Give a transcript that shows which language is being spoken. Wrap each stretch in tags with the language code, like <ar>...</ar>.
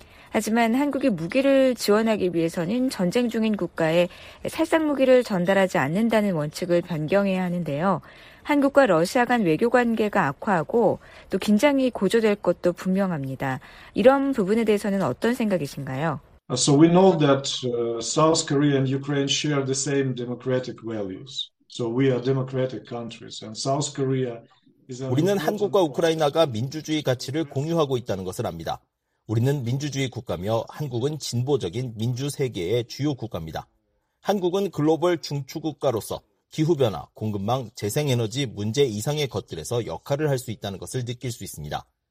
<ko>하지만 한국이 무기를 지원하기 위해서는 전쟁 중인 국가에 살상무기를 전달하지 않는다는 원칙을 변경해야 하는데요. 한국과 러시아 간 외교 관계가 악화하고 또 긴장이 고조될 것도 분명합니다. 이런 부분에 대해서는 어떤 생각이신가요?</ko> <en>So we know that South Korea and Ukraine share the same democratic values. So we are democratic countries and South Korea</en> <ko>우리는 한국과 우크라이나가 민주주의 가치를 공유하고 있다는 것을 압니다. 우리는 민주주의 국가며 한국은 진보적인 민주세계의 주요 국가입니다. 한국은 글로벌 중추국가로서 기후변화, 공급망, 재생에너지 문제 이상의 것들에서 역할을 할 수 있다는 것을 느낄 수 있습니다.</ko>